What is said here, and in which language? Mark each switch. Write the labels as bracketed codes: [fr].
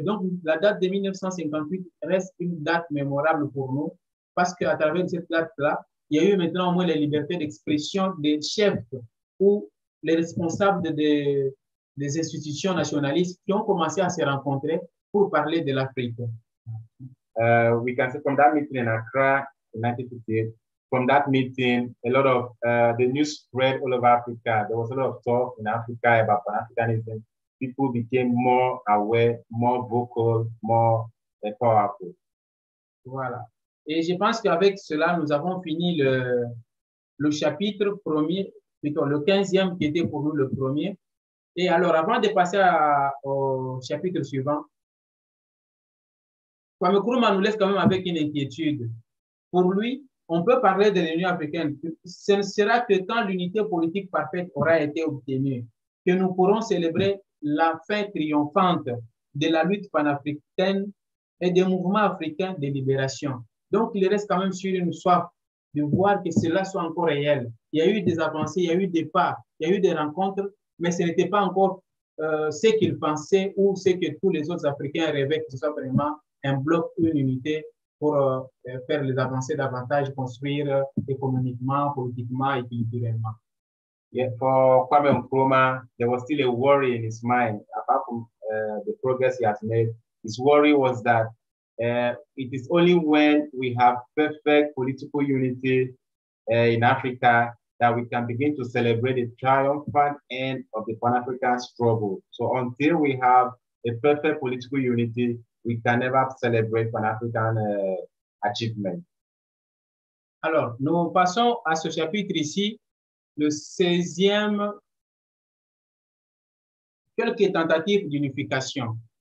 [fr] Donc, la date de 1958 reste une date mémorable pour nous parce qu'à travers cette date-là, il y a eu maintenant au moins les libertés d'expression des chefs ou les responsables des institutions nationalistes qui ont commencé à se rencontrer pour parler de l'Afrique. [en] We can say from that meeting in Accra in 1958, from that meeting, a lot of the news spread all over Africa. There was a lot of talk in Africa about Pan-Africanism. People became more aware, more vocal, more powerful. [fr] Voilà. Et je pense qu'avec cela, nous avons fini le chapitre premier, plutôt le 15e qui était pour nous le premier. Et alors, avant de passer au chapitre suivant, Kwame Nkrumah nous laisse quand même avec une inquiétude. Pour lui, on peut parler de l'Union africaine. Ce ne sera que quand l'unité politique parfaite aura été obtenue que nous pourrons célébrer la fin triomphante de la lutte panafricaine et des mouvements africains de libération. Donc, il reste quand même sur une soif de voir que cela soit encore réel. Il y a eu des avancées, il y a eu des pas, il y a eu des rencontres, mais ce n'était pas encore ce qu'il pensait ou ce que tous les autres Africains rêvaient, que ce soit vraiment un bloc, une unité pour faire les avancées davantage, construire économiquement, politiquement et culturellement. [en] Yeah, for Kwame Nkrumah, there was still a worry in his mind, apart from the progress he has made. His worry was that it is only when we have perfect political unity in Africa that we can begin to celebrate the triumphant end of the Pan-African struggle. So until we have a perfect political unity, we can never celebrate Pan-African achievement. [fr] Alors, nous passons à ce chapitre ici, le 16e, quelques tentatives d'unification.